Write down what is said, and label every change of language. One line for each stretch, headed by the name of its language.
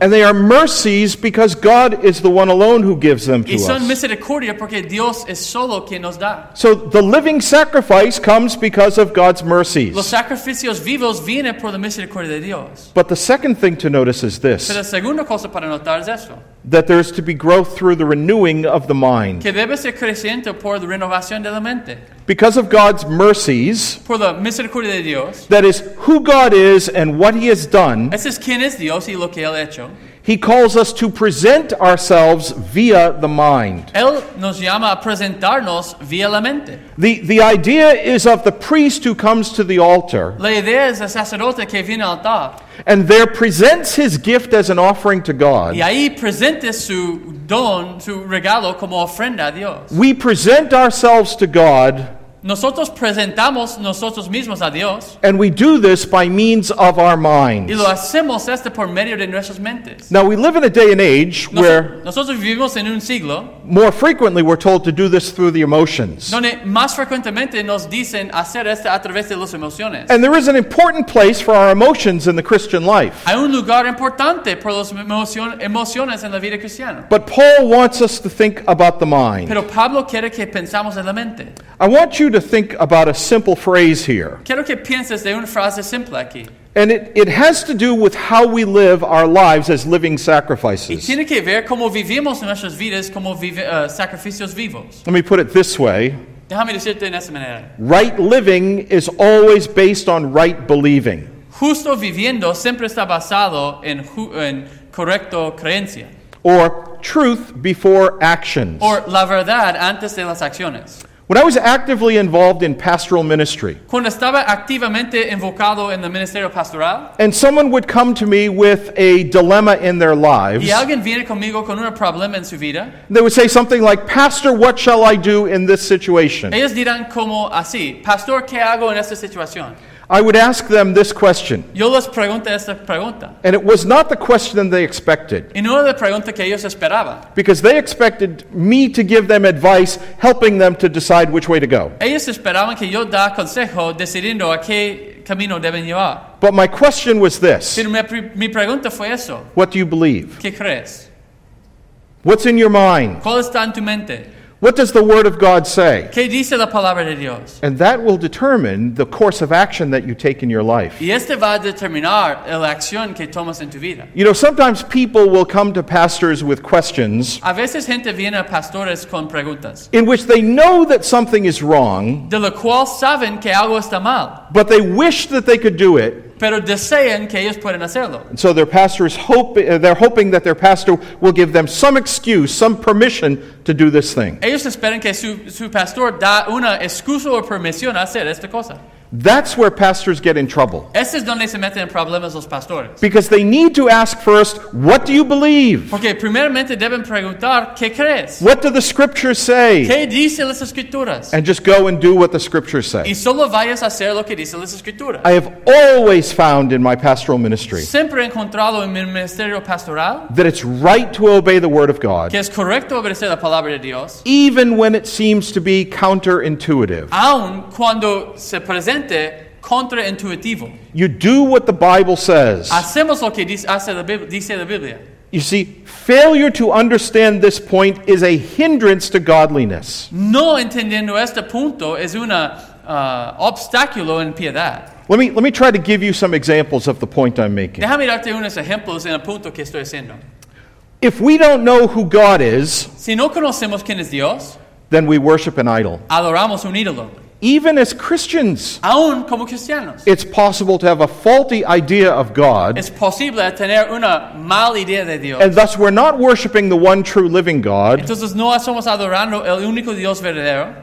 English: And they are mercies because God is the one alone who gives them to us.
Spanish: Y son misericordia porque Dios es solo quien nos da.
English: So the living sacrifice comes because of God's mercies.
Spanish: Los sacrificios vivos vienen por la misericordia de Dios.
English: But the second thing to notice is this.
Spanish: Pero la segunda cosa para notar es esto.
English: That there is to be growth through the renewing of the mind.
Spanish: Que debe ser creciente por la renovación de la mente.
English: Because of God's mercies.
Spanish: Por la misericordia de Dios.
English: That is who God is and what He has done.
Spanish: Ese es quién es Dios y lo que Él ha hecho.
English: He calls us to present ourselves via the mind.
Spanish: Él nos llama a presentarnos via la mente.
English: The idea is of the priest who comes to the altar.
Spanish: La idea es el sacerdote que viene al altar.
English: And there presents his gift as an offering to God.
Spanish: Y ahí presenta su don, su regalo como ofrenda a Dios.
English: We present ourselves to God.
Spanish: Nosotros presentamos nosotros mismos a Dios.
English: And we do this by means of our minds.
Spanish: Y lo hacemos este por medio de nuestras mentes.
English: Now we live in a day and age where
Spanish: nosotros vivimos en un siglo.
English: More frequently we're told to do this through the emotions.
Spanish: Donde más frecuentemente nos dicen hacer este a través de las emociones.
English: And there is an important place for our emotions in the Christian life.
Spanish: Hay un lugar importante por las emociones en la vida cristiana.
English: But Paul wants us to think about the mind.
Spanish: Pero Pablo quiere que pensamos en la mente.
English: I want you to think about a simple phrase here.
Spanish: Quiero que pienses de una frase simple aquí.
English: And it has to do with how we live our lives as living sacrifices.
Spanish: Y tiene que ver cómo vivimos nuestras vidas como sacrificios vivos.
English: Let me put it this way.
Spanish: Déjame decirte en esta manera.
English: Right living is always based on right believing.
Spanish: Justo viviendo siempre está basado en correcto creencia.
English: Or truth before actions. Or
Spanish: la verdad antes de las acciones.
English: When I was actively involved in pastoral ministry,
Spanish: cuando estaba activamente involucrado en el ministerio pastoral,
English: and someone would come to me with a dilemma in their lives,
Spanish: y alguien viene conmigo con un problema en su vida,
English: they would say something like, "Pastor, what shall I do in this situation?"
Spanish: Ellos dirán como así, "Pastor, ¿qué hago en esta situación?"
English: I would ask them this question.
Spanish: Yo les pregunto esta pregunta.
English: And it was not the question they expected.
Spanish: Y no era la pregunta que ellos esperaban.
English: Because they expected me to give them advice, helping them to decide which way to go.
Spanish: Ellos esperaban que yo da consejo decidiendo a qué camino deben llevar.
English: But my question was this.
Spanish: Pero mi pregunta fue eso.
English: What do you believe?
Spanish: ¿Qué crees?
English: What's in your mind?
Spanish: ¿Cuál está en tu mente?
English: What does the Word of God say?
Spanish: ¿Qué dice la palabra de Dios?
English: And that will determine the course of action that you take in your life.
Spanish: Y este va a determinar la acción que tomas en tu vida.
English: You know, sometimes people will come to pastors with questions.
Spanish: A veces gente viene a pastores con preguntas.
English: In which they know that something is wrong.
Spanish: De lo cual saben que algo está mal.
English: But they wish that they could do it.
Spanish: Pero desean que ellos pueden hacerlo.
English: And so their pastors they're hoping that their pastor will give them some excuse, some permission to do this thing.
Spanish: Ellos esperan que su pastor da una excusa o permisión a hacer esta cosa.
English: That's where pastors get in trouble.
Spanish: Ese es donde se meten en problemas los pastores.
English: Because they need to ask first, what do you believe?
Spanish: Porque primeramente deben preguntar, ¿qué crees?
English: What do the scriptures say?
Spanish: ¿Qué dice las escrituras?
English: And just go and do what the scriptures say.
Spanish: Y solo vayas a hacer lo que dice las escrituras.
English: I have always found in my pastoral ministry
Spanish: siempre he encontrado en mi ministerio pastoral
English: that it's right to obey the word of God.
Spanish: Que es correcto obedecer la palabra de Dios.
English: Even when it seems to be counterintuitive.
Spanish: Aun cuando se presenta.
English: You do what the Bible says.
Spanish: Hacemos lo que dice la Biblia.
English: You see, failure to understand this point is a hindrance to godliness.
Spanish: No entendiendo este punto es una obstáculo en piedad.
English: Let me try to give you some examples of the point I'm making.
Spanish: Déjame darte unos ejemplos en el punto que estoy haciendo.
English: If we don't know who God is,
Spanish: si no conocemos quién es Dios,
English: then we worship an idol.
Spanish: Adoramos un ídolo.
English: Even as Christians,
Spanish: aún como cristianos,
English: it's possible to have a faulty idea of God.
Spanish: Es posible tener una mala idea de Dios.
English: And thus we're not worshiping the one true living God.
Spanish: Entonces no estamos adorando el único Dios verdadero.